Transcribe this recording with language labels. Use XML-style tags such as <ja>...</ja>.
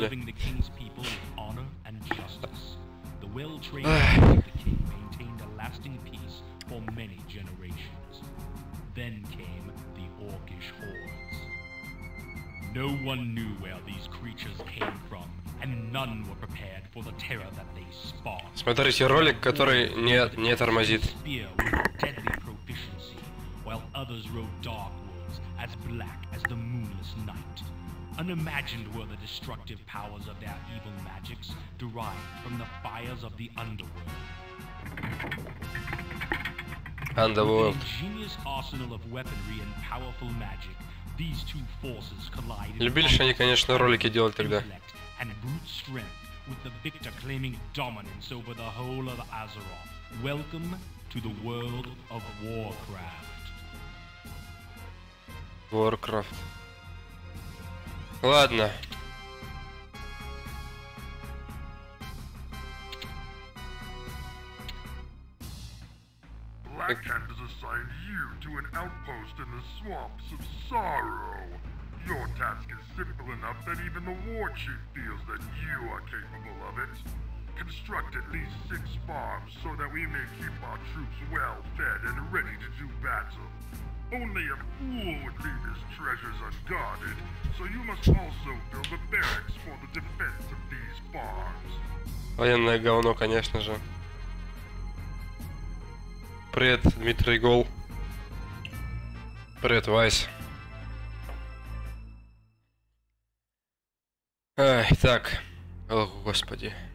<en>Serving the king's people with honor and justice. The well-trained army of the king maintained a lasting peace for many generations. Then came the Orcish Horde. No one knew where these creatures came from, and none were prepared for the terror that they spawned.</en> <ru>Смотрите ролик, который не тормозит.</ru> <en>Spear with deadly proficiency, while others rode dark wolves as black as the moonless night. Unimagined were the destructive powers of their evil magics derived from the fires of the underworld. Underworld. With an ingenious arsenal of weaponry and powerful magic. These two forces collided.</en> <ru>Любили же они, конечно, ролики делать тогда.</ru> <en>And brute strength, with the victor claiming dominance over the whole of Azeroth. Welcome to the world of Warcraft.</en> <ru>Warcraft. Ладно.</ru> <en>Blackhand has assigned you to an outpost in the swamps of sorrow. Your task is simple enough that even the war chief feels that you are capable of it. Construct at least 6 farms so that we may keep our troops well fed and ready to do battle. Only a fool would leave his treasures unguarded, so you must also build a barracks for the defense of these farms.</en> <ru>Военное говно, конечно же. Привет, Дмитрий Гол. Привет, Вайс. Ай, так. Ох, господи.</ru>